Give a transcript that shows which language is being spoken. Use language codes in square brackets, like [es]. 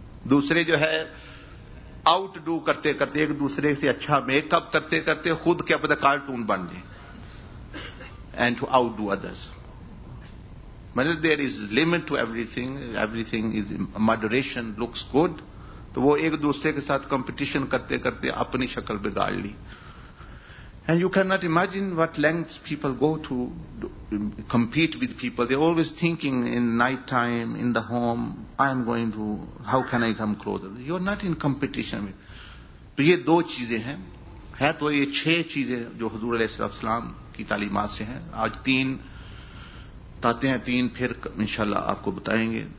[ur] دوسرے جو ہے آؤٹ ڈو کرتے کرتے، ایک دوسرے سے اچھا میک اپ کرتے کرتے خود کے اپنے کارٹون بن جائیں، [en] And to outdo others. مطلب there is limit to everything, everything is moderation, looks good. [ur] تو وہ ایک دوسرے کے ساتھ کمپٹیشن کرتے کرتے اپنی شکل بگاڑ لی. [en] And you cannot imagine what lengths people go to compete with people. They're always thinking in night time, in the home, I'm going to, how can I come closer? You're not in competition. [ur] تو یہ دو چیزیں ہیں. ہے تو یہ چھ چیزیں جو حضور علیہ الصلوۃ والسلام کی تعلیمات سے ہیں. آج تین تاتے ہیں، تین پھر انشاءاللہ آپ کو بتائیں گے.